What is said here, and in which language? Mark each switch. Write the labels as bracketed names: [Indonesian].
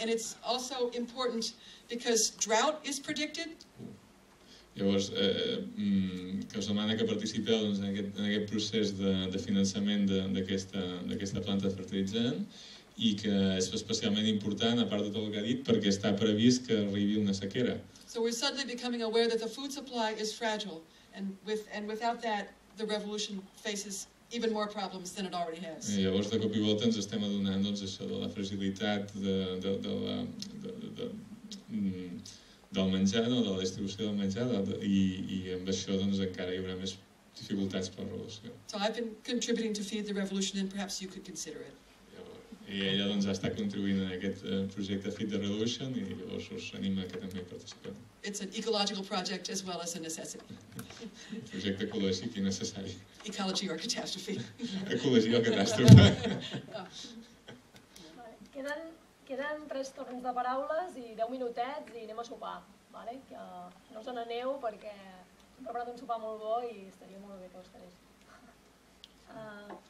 [English] And it's also important because drought is predicted. [Catalan] Llavors, que us demana que participeu doncs, en aquest procés de finançament d'aquesta planta fertilitzant i que és especialment important, a part de tot el que ha dit, perquè està previst que arribi una sequera. [English] So we're suddenly becoming aware that the food supply is fragile and without that, the revolution faces even more problems than it already has. [Catalan] I llavors, de cop i volta, ens estem adonant doncs, això de la fragilitat del menjar, no? De la distribució del menjar, i amb això doncs, encara hi haurà més dificultats per la revolució. [English] So I've been contributing to feed the revolution and perhaps you could consider it. [Catalan] I ella doncs, està contribuint en aquest projecte Feed the Revolution i llavors us anima que també hi participeu. [English] It's an ecological project as well as a necessity. [Catalan] Un projecte ecològic i necessari. [English] Ecology or catastrophe. [Catalan] Ecologia o catàstrofe. Queden tres torns de paraules i 10 minutets i anem a sopar. Vale? Que no us n'aneu perquè hem preparat un sopar molt bo i estaria molt bé que us quedés.